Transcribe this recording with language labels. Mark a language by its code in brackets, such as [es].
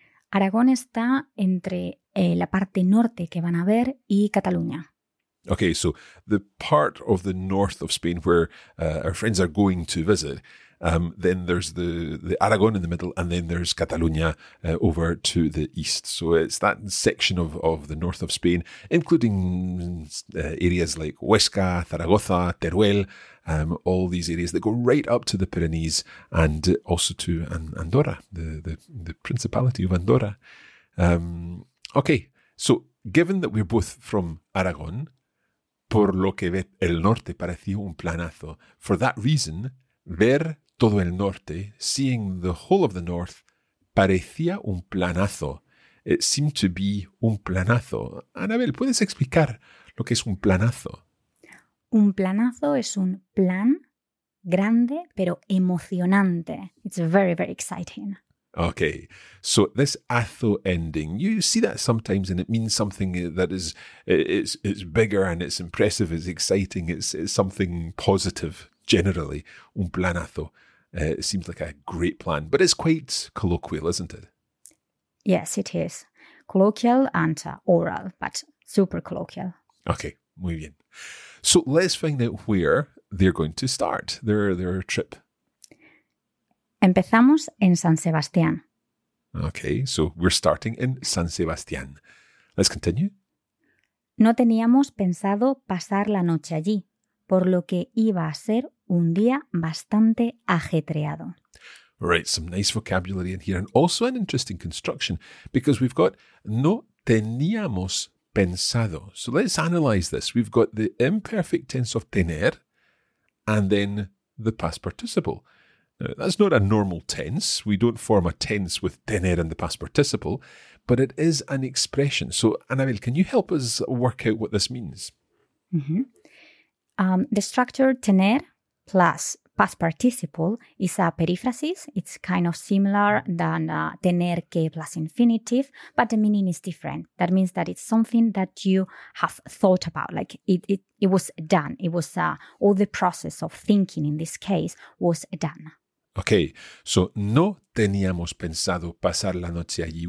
[es] Aragón está entre la parte norte que van a ver y Cataluña. [en] Okay, so the part of the north of Spain where our friends are going to visit, then there's the Aragón in the middle, and then there's Cataluña over to the east. So it's that section of the north of Spain, including areas like Huesca, Zaragoza, Teruel, all these areas that go right up to the Pyrenees and also to Andorra, the Principality of Andorra. Okay, so given that we're both from Aragón, [es] por lo que ve el norte pareció un planazo. [en] For that reason, [es] ver todo el norte, [en] seeing the whole of the north, [es] parecía un planazo. [en] It seemed to be un planazo. [es] Anabel, ¿puedes explicar lo que es un planazo? Un planazo es un plan grande, pero emocionante. [en] It's very, very exciting. Okay, so this "-azo ending, you see that sometimes and it means something that is bigger and it's impressive, it's exciting, it's something positive, generally. Un planazo seems like a great plan, but it's quite colloquial, isn't it? Yes, it is. Colloquial and oral, but super colloquial. [es] Okay, muy bien. [en] So let's find out where they're going to start their trip. [es] Empezamos en San Sebastián. [en] Okay, so we're starting in San Sebastián. Let's continue. [es] No teníamos pensado pasar la noche allí, por lo que iba a ser un día bastante ajetreado. [en] Right, some nice vocabulary in here and also an interesting construction because we've got [es] no teníamos pensado. [en] So let's analyze this. We've got the imperfect tense of tener and then the past participle. Now, that's not a normal tense. We don't form a tense with tener and the past participle, but it is an expression. So, Anabel, can you help us work out what this means? Mm-hmm. The structure tener plus past participle is a periphrasis. It's kind of similar than tener que plus infinitive, but the meaning is different. That means that it's something that you have thought about, like it was done. It was all the process of thinking in this case was done. [es] Okay, so no teníamos pensado pasar la noche allí.